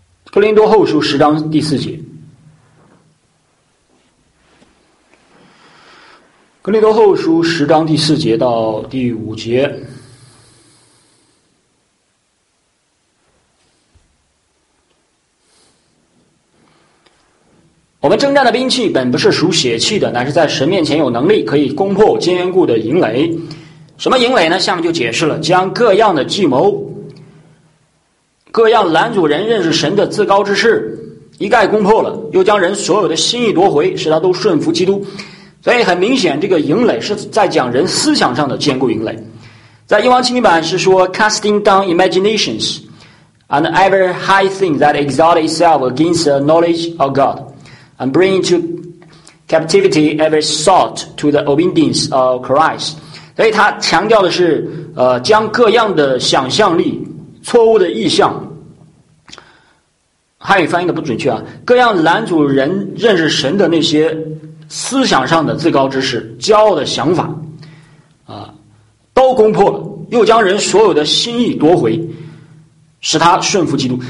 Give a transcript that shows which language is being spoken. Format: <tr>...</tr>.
<zh>哥林多后书十章第四节，哥林多后书十章第四节到第五节，我们征战的兵器本不是属血气的，乃是在神面前有能力可以攻破坚固的营垒。什么营垒呢？下面就解释了，将各样的计谋，各样拦阻人认识神的自高之事一概攻破了，又将人所有的心意夺回，使他都顺服基督。所以很明显，这个营垒是在讲人思想上的坚固营垒。在英王钦定版是说</zh> <en>casting down imaginations and every high thing that exalts itself against the knowledge of GodAnd bring into captivity every thought to the obedience of Christ.</en> <zh>所以他强调的是，将各样的想象力、错误的意象，汉语翻译的不准确啊，各样拦阻人认识神的那些思想上的自高之事、骄傲的想法，都攻破了，又将人所有的心意夺回，使他顺服基督。</zh>